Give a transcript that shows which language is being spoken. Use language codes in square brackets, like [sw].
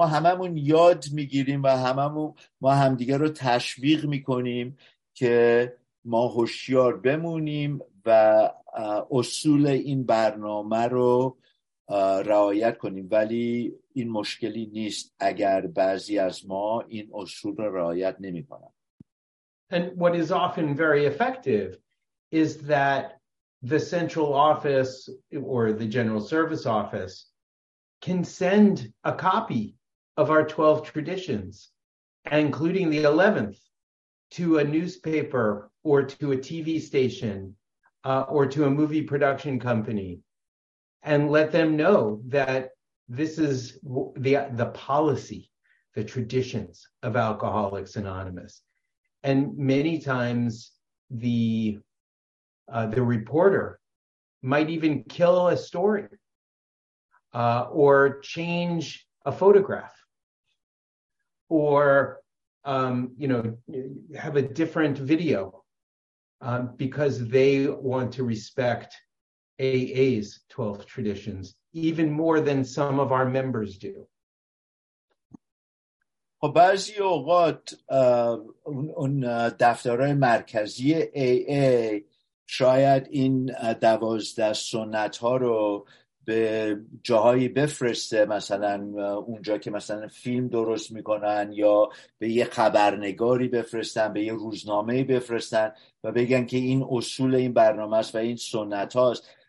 [fa] ما هممون یاد میگیریم و ما همدیگه رو تشویق میکنیم که ما هوشیار بمونیم و اصول این برنامه رو رعایت کنیم. ولی این مشکلی نیست اگر بعضی از ما این اصول را رعایت نمی کنند. [en] And what is often very effective is that the central office or the general service office can send a copy of our 12 traditions, including the 11th, to a newspaper or to a TV station or to a movie production company. And let them know that this is the policy, the traditions of Alcoholics Anonymous. And many times the reporter might even kill a story or change a photograph or have a different video because they want to respect AA's 12 traditions even more than some of our members do. [fa] خب بعضی اوقات اون دفترهای مرکزی AA شاید این 12 سنت ها رو به جاهایی بفرسته، مثلا اونجا که مثلا فیلم درست میکنن، یا به یه خبرنگاری بفرستن، به یه روزنامه بفرستن و بگن که این اصول این برنامه است و این سنت هاست.